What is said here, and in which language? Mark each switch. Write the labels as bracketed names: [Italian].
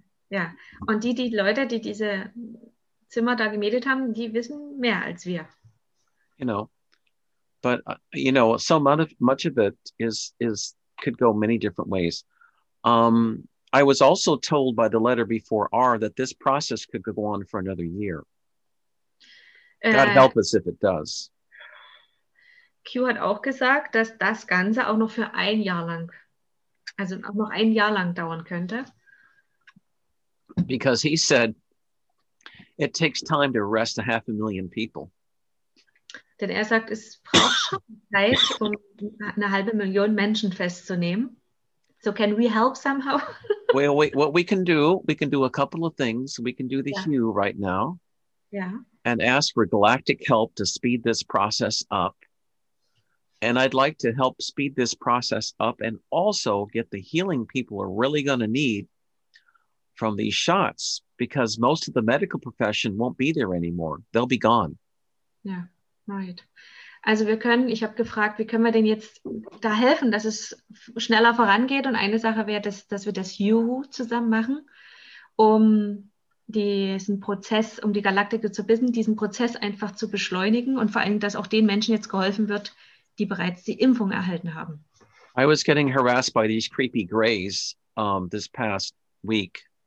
[German] Ja, und die Leute, die diese Zimmer da gemietet haben, die wissen mehr als wir. [English] You know, but, you know, so much of it is could go many different ways. I was also told by the letter before R that this process could go on for another year. God help us if it does. [German] Q hat auch gesagt, dass das Ganze auch noch für ein Jahr lang, also auch noch ein Jahr lang dauern könnte. [English] Because he said, it takes time to arrest 500,000 people. [German] Denn er sagt, es braucht schon Zeit, eine halbe Million Menschen festzunehmen. [English] So can we help somehow? Well, what we can do a couple of things. We can do the Hue right now. Yeah. And ask for galactic help to speed this process up. And I'd like to help speed this process up and also get the healing people are really going to need from these shots, because most of the medical profession won't be there anymore. They'll be gone. Yeah, right. [German] Also wir können, ich habe gefragt, wie können wir denn jetzt da helfen, dass es schneller vorangeht? Und eine Sache wäre, dass wir das Juhu zusammen machen, diesen Prozess, die Galaktiker zu bissen, diesen Prozess einfach zu beschleunigen und vor allem, dass auch den Menschen jetzt geholfen wird, die bereits die Impfung erhalten haben. [English] I was getting harassed by these creepy grays this past week.